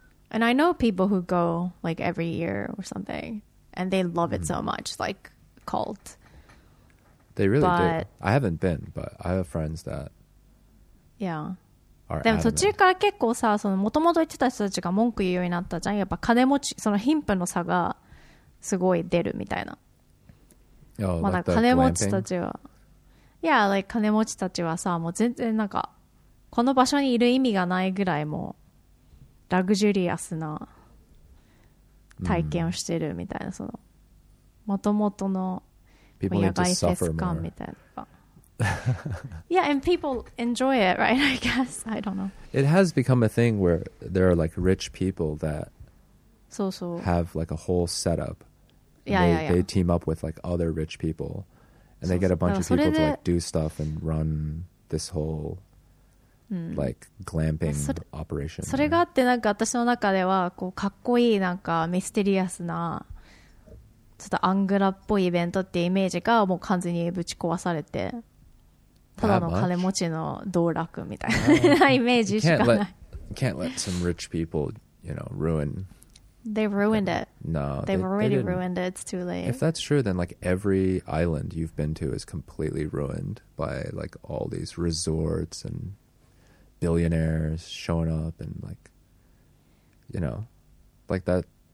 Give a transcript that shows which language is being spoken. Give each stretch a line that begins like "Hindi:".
English: And I know people who go like every year or something, and they love it so much, like cult. They really do. I haven't been, but I have friends that... Yeah.
Japanese: でも途中から結構さ、その元々言ってた人たちが文句言うようになったじゃん。やっぱ金持ち、その貧富の差がすごい出るみたいな。まあ、なんか金持ちたちは、いや、like、金持ちたちはさ、もう全然なんか、この場所にいる意味がないぐらいもう、ラグジュリアスな体験をしてるみたいな、その、元々の野外フェス感みたいな。
English: Yeah, and people enjoy it, right? I guess. I don't know. It has become a thing where there are like rich people that so. Have like a whole setup. Yeah, they, yeah, yeah. They team up with like other rich people and they get a bunch of people to like do stuff and run this whole like glamping operation.
Japanese: それがあってなんか私の中ではこうかっこいいなんかミステリアスなちょっとアングラっぽいイベントっていうイメージがもう完全にぶち壊されてただの金持ちの道楽みたいなイメージしかない
English: can't let some rich people you know ruin they ruined it no they've already ruined it it's too late if that's true then like every island you've been to is completely ruined by like all these resorts and billionaires showing up and like you know like that